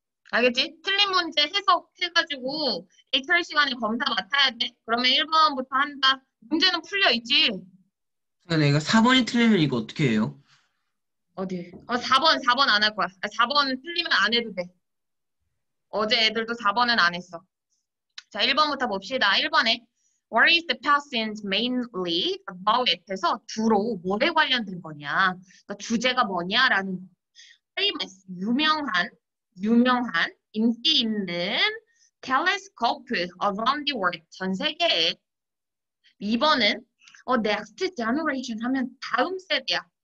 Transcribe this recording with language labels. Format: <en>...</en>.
<ko>알겠지? 틀린 문제 해석해가지고 HR 시간에 검사 맡아야 돼. 그러면 1번부터 한다. 문제는 풀려 있지? 근데 이거 4번이 틀리면 이거 어떻게 해요? 어디? 4번 안 할 거야. 4번 틀리면 안 해도 돼. 어제 애들도 4번은 안 했어. 자, 1번부터 봅시다.</ko> <en>1번에 What is the passage mainly about?</en> <ko>해서 주로 뭐에 관련된 거냐? 그러니까 주제가 뭐냐라는 거. Famous, 유명한 인기 있는 텔레스코프</ko> <en>around the world</en> <ko>전 세계에 2번은</ko> <en>next generation</en> <ko>하면 다음 세대야.</ko>